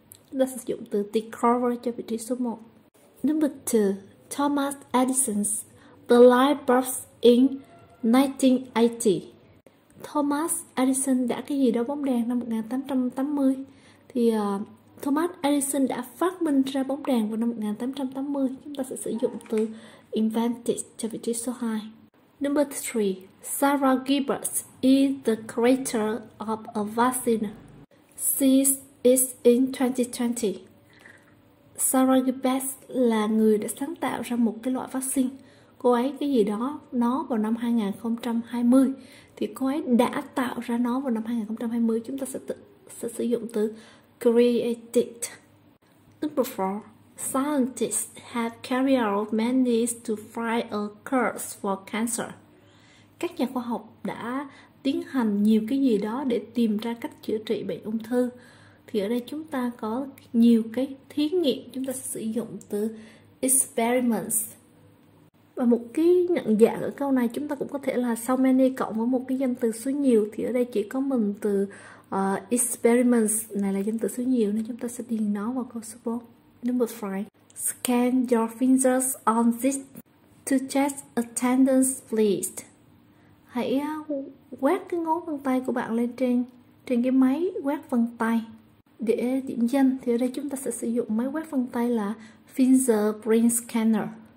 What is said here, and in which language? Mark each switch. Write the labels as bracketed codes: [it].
[vi] Chúng ta sẽ dùng từ discover cho vị trí số 1. [en] Number 2, Thomas Edison's The Light Bulb in 1880. [vi] Thomas Edison đã cái gì đó bóng đèn năm 1880. Thì Thomas Edison đã phát minh ra bóng đèn vào năm 1880. Chúng ta sẽ sử dụng từ invented cho vị trí số 2. [en] Number 3, Sarah Gilbert is the creator of a vaccine. She is in 2020. [vi] Sarah Gilbert là người đã sáng tạo ra một cái loại vaccine. Cô ấy cái gì đó, nó vào năm 2020. Thì cô ấy đã tạo ra nó vào năm 2020. Chúng ta sẽ sử dụng từ created. [en] Number 4, scientists have carried out many to find a cure for cancer. [vi] Các nhà khoa học đã tiến hành nhiều cái gì đó để tìm ra cách chữa trị bệnh ung thư. Thì ở đây chúng ta có nhiều cái thí nghiệm, chúng ta sử dụng từ experiments. Và một cái nhận dạng ở câu này chúng ta cũng có thể là sau many cộng với một cái danh từ số nhiều, thì ở đây chỉ có mình từ experiments này là danh từ số nhiều, nên chúng ta sẽ điền nó vào câu số 4. [en] Number 5, scan your fingers on this to check attendance, please. [vi] Hãy quét cái ngón vân tay của bạn lên trên cái máy quét vân tay để điểm danh. Thì ở đây chúng ta sẽ sử dụng máy quét vân tay là fingerprint scanner.